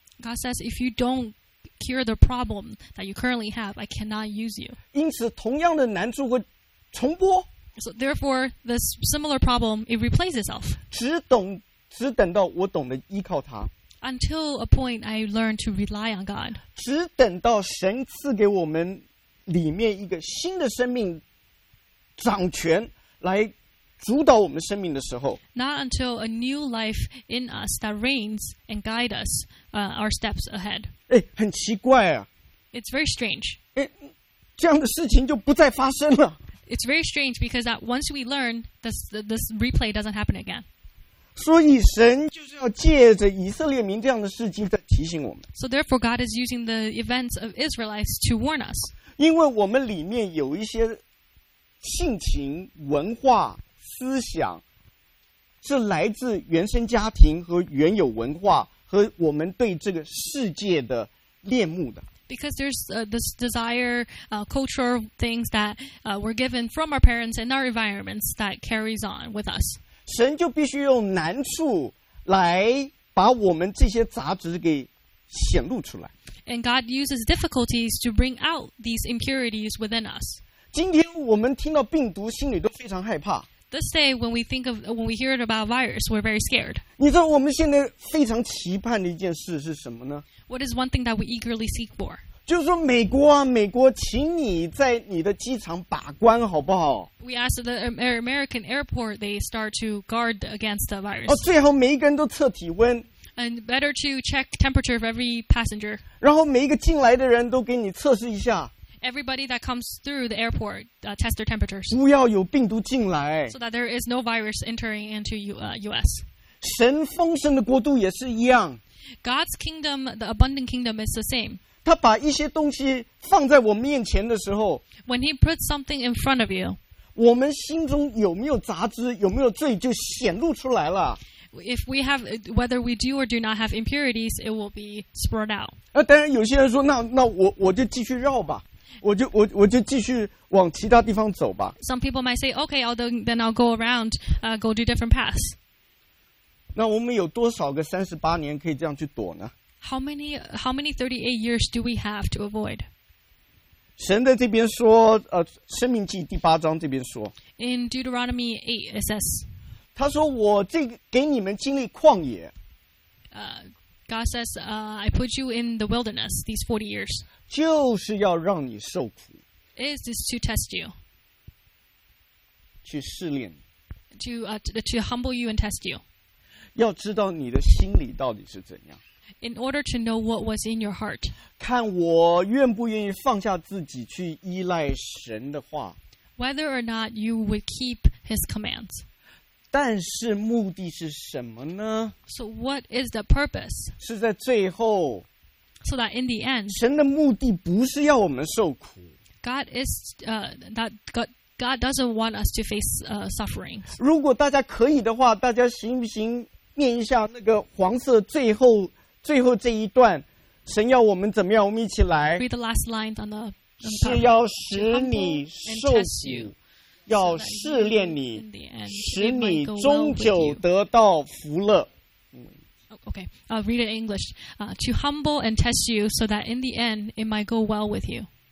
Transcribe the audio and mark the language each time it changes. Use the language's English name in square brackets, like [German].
[English] God says, if you don't cure the problem that you currently have, I cannot use you. [Chinese] 因此同样的难处会重播。 [English] So therefore, this similar problem, it replaces itself. [Chinese] 只等到我懂得依靠他。 [English] Until a point I learned to rely on God. [Chinese] 只等到神赐给我们里面一个新的生命掌权来主导我们生命的时候。 [English] Not until a new life in us that reigns and guides us, our steps ahead. [Chinese] 哎，很奇怪啊。 [English] It's very strange. [Chinese] 哎，这样的事情就不再发生了。 [English] It's very strange because that once we learn, this replay doesn't happen again. [Chinese] 所以神就是要借着以色列民这样的事情在提醒我们。 [English] So therefore God is using the events of Israelites to warn us. [Chinese] 因为我们里面有一些性情、文化、思想是来自原生家庭和原有文化和我们对这个世界的恋慕的。 [English] Because there's this desire, cultural things that were given from our parents and our environments that carries on with us. [Chinese] 神就必须用难处来把我们这些杂质给显露出来。 [English] And God uses difficulties to bring out these impurities within us. [Chinese] 今天我们听到病毒，心里都非常害怕。 [English] This day, when we hear about virus, we're very scared. [Chinese] 你知道我们现在非常期盼的一件事是什么呢？ [English] What is one thing that we eagerly seek for? [Chinese] 就是说美国啊，美国，请你在你的机场把关好不好？ [English] We ask the American airport they start to guard against the virus. [Chinese] 哦，最好每一个人都测体温。 [English] And better to check temperature of every passenger. [Chinese] 然后每一个进来的人都给你测试一下。 [English] Everybody that comes through the airport, test their temperatures. [Chinese] 不要有病毒进来。 [English] So that there is no virus entering into US. [Chinese] 神丰盛的国度也是一样。 [English] God's kingdom, the abundant kingdom, is the same. [Chinese] 他把一些东西放在我面前的时候， [English] When he puts something in front of you, [Chinese] 我们心中有没有杂质，有没有罪，就显露出来了。 [English] If we have, whether we do or do not have impurities, it will be spread out. [Chinese] 当然有些人说，那我就继续绕吧，我就继续往其他地方走吧。 [English] Some people might say, okay, then I'll go around, go to different paths. [Chinese] 那我们有多少个三十八年可以这样去躲呢？ [English] How many 38 years do we have to avoid? [Chinese] 神在这边说，生命记第八章这边说。 [English] In Deuteronomy 8, it says. [Chinese] 他说我这给你们经历旷野。 [English] God says, I put you in the wilderness these 40 years. [Chinese] 就是要让你受苦。 [English] It is to test you. [Chinese] 去试炼。 [English] To humble you and test you. [Chinese] 要知道你的心里到底是怎样。 [English] In order to know what was in your heart. [Chinese] 看我愿不愿意放下自己去依赖神的话。 [English] Whether or not you would keep his commands. [Chinese] 但是目的是什么呢？ [English] So what is the purpose? [Chinese] 是在最后。 [English] So that in the end. [Chinese] 神的目的不是要我们受苦。 [English] God is, God doesn't want us to face suffering. [Chinese] 如果大家可以的话，大家行不行念一下那个黄色最后这一段，神要我们怎么样？我们一起来。 [English] Read the last lines on the. [Chinese] 是要使你受苦，要试炼你，使你终究得到福乐。 [English] Okay, I'll read it in English. To humble and test you, so that in the end it might go well with you.